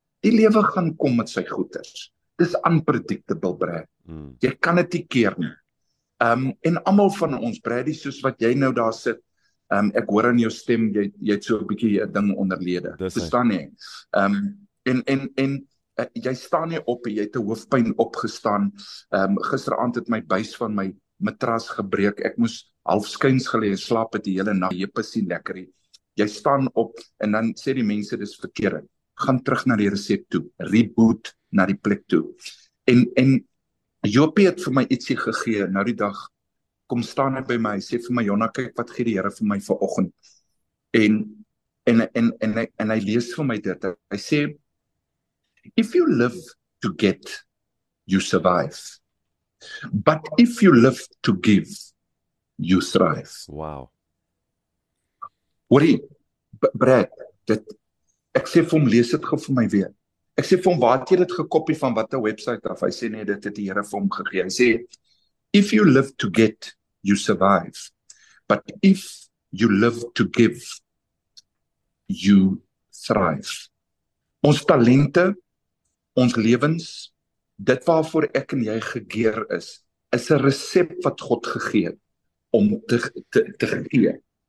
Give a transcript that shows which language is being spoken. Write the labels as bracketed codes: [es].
[af] Die lewe gaan kom met sy goeders. Dis unpredictable, Brad. Jy kan dit nie keer nie. En almal van ons, Bradie, soos wat jy nou daar sit, ek hoor in jou stem, jy het so 'n bietjie 'n ding onderlede. Verstaan jy? Jy staan nie op, jy het 'n hoofpyn opgestaan. Gisteraand het my buis van my matras gebreek. Ek moes half skuins gelê en slaap het die hele nag. Jy pasie lekker nie. Jy staan op en dan sê die mense dis verkeerd. Gaan terug na die resep toe. Reboot na die plek toe. En Jopie het vir my ietsie gegee. Nou die dag kom staan hy by my. Hy sê vir my, Jonna, kyk wat gee die Here vir my vanoggend. En hy lees vir my dit. [en] Hy sê, if you live to get, you survive. But if you live to give, you thrive. Wow. [af] Hoorie, Brad, dit, ek sê vir hom, lees het gauw vir my weer. Ek sê vir hom, waar het jy dit gekopie van wat 'n website af? Hy sê nie, dit het die Here vir hom gegee. Hy sê, [en] if you live to get, you survive. But if you live to give, you thrive. [af] Ons talente, ons lewens, dit waarvoor ek en jy gegeer is, is 'n resep wat God gegee het om te gegee.